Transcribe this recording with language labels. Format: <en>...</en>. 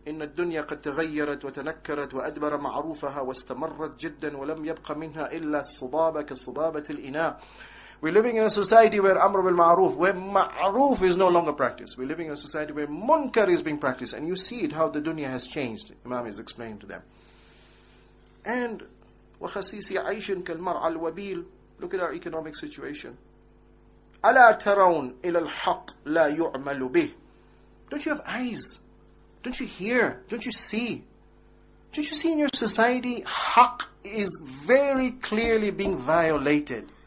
<ar>إِنَّ الدُّنْيَا قَدْ تَغَيَّرَتْ وَتَنَكَّرَتْ وَأَدْبَرَ مَعْرُوفَهَا وَاسْتَمَرَّتْ جِدًّا وَلَمْ يَبْقَ مِنْهَا إِلَّا الصُّبَابَ كَالصُّبَابَةِ الْإِنَاءِ</ar> <en>We're living in a society where Amr bil Ma'ruf, where Ma'ruf is no longer practiced. We're living in a society where Munkar is being practiced. And you see it, how the dunya has changed. Imam is explaining to them.</en> <ar>And وَخَسِيسِ عَيْشٍ كَالْمَرْعَ الْوَبِيلِ.</ar> <en>Look at our economic situation.</en> <ar>أَلَا تَرَوْنَ إِلَى الْحَقِّ لَا يُعْمَلُ بِهِ.</ar> <en>Don't you have eyes? Don't you hear? Don't you see? Don't you see in your society, haq is very clearly being violated.</en>